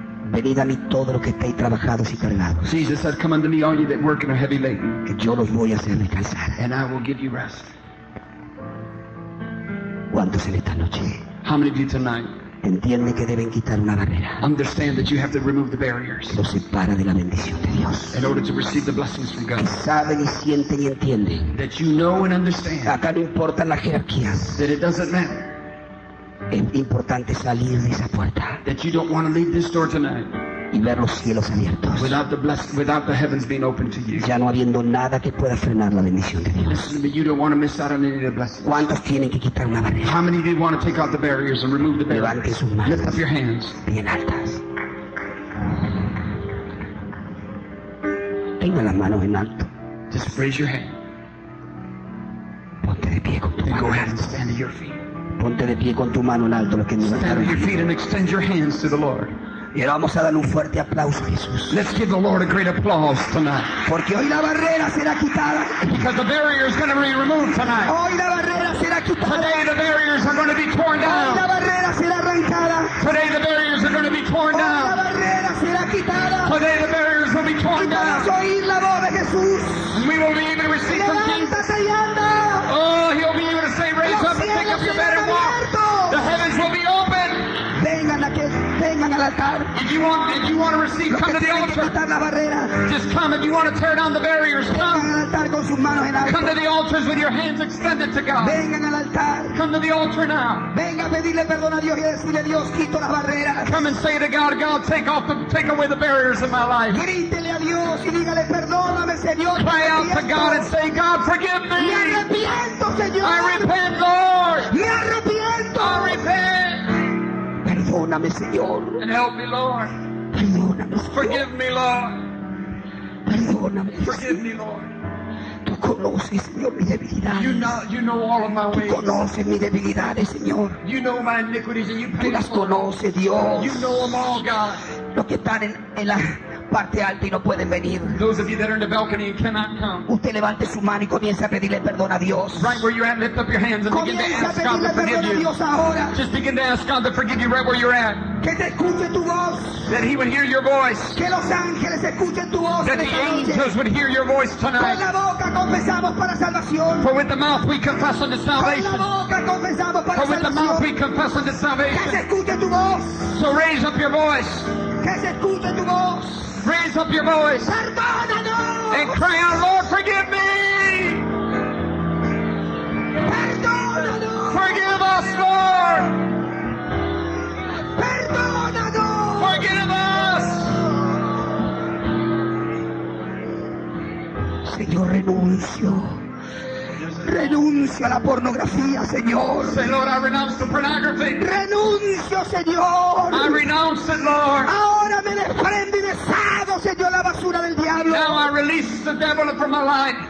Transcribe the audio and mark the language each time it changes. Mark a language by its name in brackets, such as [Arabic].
[Spanish] Venid a mí todos los que estéis trabajados y cargados. [English] Jesus said, come unto me all you that work and are heavy laden. [Spanish] Que yo los voy a hacer descansar. [English] And I will give you rest. [Spanish] ¿Cuántos en esta noche? [English] How many of you tonight? [Spanish] Entiende que deben quitar una barrera. [English] Understand that you have to remove the barriers. [Spanish] Lo separa de la bendición de Dios. [English] In order to receive the blessings from God. [Spanish] Que saben y sienten y entienden. [English] That you know and understand. [Spanish] Acá no importan las jerarquías. [English] That it doesn't matter. [Spanish] Es importante salir de esa puerta. [English] That you don't want to leave this door tonight. [Spanish] Y ver los cielos abiertos. [English] Without the heavens being open to you. [Spanish] Ya no habiendo nada que pueda frenar la bendición de Dios. [English] Listen to me, you don't want to miss out on any of the blessings. [Spanish] ¿Cuántos tienen que quitar una barrera? [English] How many of you want to take out the barriers and remove the barriers? [Spanish] Levante sus manos. Lift up your hands. Bien altas. Tenga las manos en alto. [English] Just raise your hand. [Spanish] Ponte de pie con tu [English] and [Spanish] mano. [English] Go ahead and stand at your feet. [Spanish] Ponte de pie con tu mano en alto. Los que [English] stand at your feet and extend your hands to the Lord. [Spanish] Y ahora vamos a dar un fuerte aplauso a Jesús. [English] Let's give the Lord a great applause tonight. [Spanish] Porque hoy la barrera será quitada. [English] Because the barrier is going to be removed tonight. [Spanish] Hoy la barrera será quitada. [English] Today the barriers are going to be torn down. [Spanish] Hoy la barrera será arrancada. [English] Today the barriers are going to be torn down. [Spanish] Hoy la barrera será quitada. [English] Today the barriers will be torn down. [Spanish] Y podrás oír la voz de Jesús. [English] And we will be able to receive from Jesus. Oh, he'll be able to say, raise up and pick up your bed and walk. The heavens will be open. [Spanish] Vengan a la altar. [English] If you want to receive, come to the altar. Just come. If you want to tear down the barriers, come. Come to the altars with your hands extended to God. [Spanish] Vengan al altar. [English] Come to the altar now. [Spanish] Venga a pedirle perdón a Dios y decirle Dios quito las barreras. [English] Come and say to God, God, take away the barriers in my life. [Spanish] Grítele a Dios y dígale perdóname, Señor. [English] Cry out to God and say, God, forgive me. [Spanish] Me arrepiento, Señor. [English] I repent, Lord. [Spanish] Me arrepiento. [English] I repent. [Spanish] Perdóname, Señor. [English] And help me, Lord. [Spanish] Perdóname, Señor. [English] Forgive me, Lord. [Spanish] Perdóname, Señor. [English] Forgive me, Lord. [Spanish] Tú conoces, Señor, mis debilidades. [English] You know all of my ways. [Spanish] Tú conoces mis debilidades, Señor. [English] You know my iniquities and you pay for it. [Spanish] Tú las conoces, Dios. [English] You know them all, God. [Spanish] Los que están en la parte alta y no pueden venir. [English] Those of you that are in the balcony and cannot come. [Spanish] Usted levante su mano y comience a pedirle perdón a Dios. [English] Right where you're at, lift up your hands and [Spanish] comience [English] begin to ask God to forgive you. Just begin to ask God to forgive you right where you're at. [Spanish] Que te escuche tu voz. [English] That he would hear your voice. [Spanish] Que los ángeles escuchen tu voz. [English] That the angels would hear your voice tonight. [Spanish] Con la boca confesamos para salvación. [English] For with the mouth we confess unto salvation. [Spanish] Con la boca confesamos para salvación. [English] For with the mouth we confess unto salvation. [Spanish] Que se escuche tu voz. [English] So raise up your voice. [Spanish] Que se escuche tu voz. [English] Raise up your voice. [Spanish] Perdónanos. [English] And cry out, Lord, forgive me. [Spanish] Perdónanos. [English] Forgive us, Lord. [Spanish] Perdónanos. [English] Forgive us. [Spanish] Señor, renuncio. Renuncio a la pornografía, Señor. [English] Say, Lord, I renounce the pornography. [Spanish] Renuncio, Señor. [English] I renounce it, Lord. [Spanish] Ahora me desprendo y deshago, Señor, la basura del diablo. [English] Now I release the devil from my life.